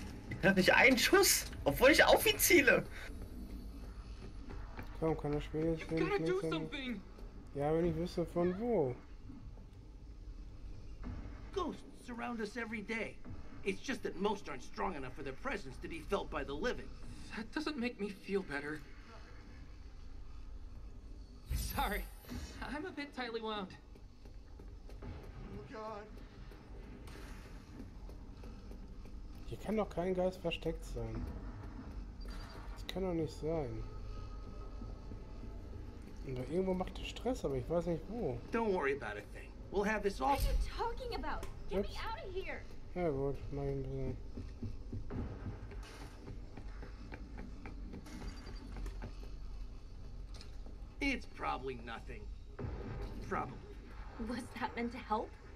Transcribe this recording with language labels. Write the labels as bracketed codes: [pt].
[de] Ich hab nicht einen Schuss, obwohl ich auf ihn ziele. Komm, kann er spielen? Ich will nicht. Ja, wenn ich wüsste, von wo. [en] Ghosts surround us every day. It's just that most aren't strong enough for their presence to be felt by the living. That doesn't make me feel better. Sorry, I'm a bit tightly wound. Oh God. [de] Hier kann doch kein Geist versteckt sein. Das kann doch nicht sein. Und irgendwo macht er Stress, aber ich weiß nicht wo. [en] Don't worry about a thing. We'll have this all. What are you talking about? Get me out of here. [de] Ja gut, mach ich ein bisschen. [en] It's probably nothing. Probably. Was that meant to help?